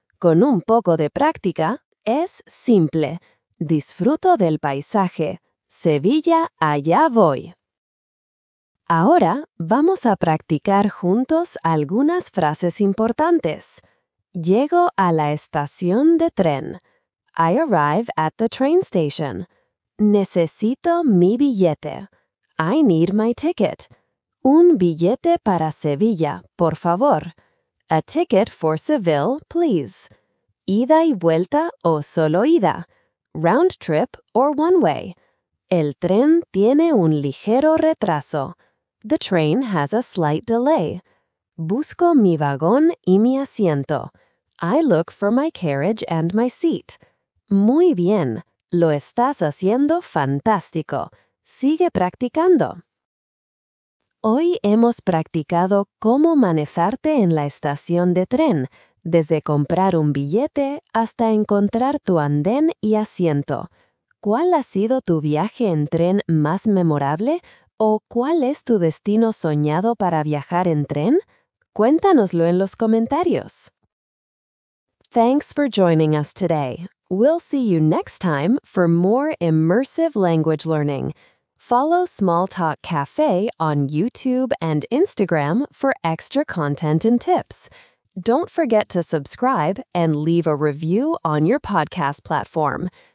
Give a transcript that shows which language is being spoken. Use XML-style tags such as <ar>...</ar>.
<es>Con un poco de práctica, es simple. Disfruto del paisaje. Sevilla, allá voy». Ahora vamos a practicar juntos algunas frases importantes. Llego a la estación de tren.</es> <en>I arrive at the train station.</en> <es>Necesito mi billete.</es> <en>I need my ticket.</en> <es>Un billete para Sevilla, por favor.</es> <en>A ticket for Seville, please.</en> <es>Ida y vuelta o solo ida.</es> <en>Round trip or one way.</en> <es>El tren tiene un ligero retraso.</es> <en>The train has a slight delay.</en> <es>Busco mi vagón y mi asiento.</es> <en>I look for my carriage and my seat.</en> <es>Muy bien. Lo estás haciendo fantástico. Sigue practicando. Hoy hemos practicado cómo manejarte en la estación de tren, desde comprar un billete hasta encontrar tu andén y asiento. ¿Cuál ha sido tu viaje en tren más memorable? ¿O cuál es tu destino soñado para viajar en tren? Cuéntanoslo en los comentarios.</es> <en>Thanks for joining us today. We'll see you next time for more immersive language learning. Follow Small Talk Cafe on YouTube and Instagram for extra content and tips. Don't forget to subscribe and leave a review on your podcast platform.</en>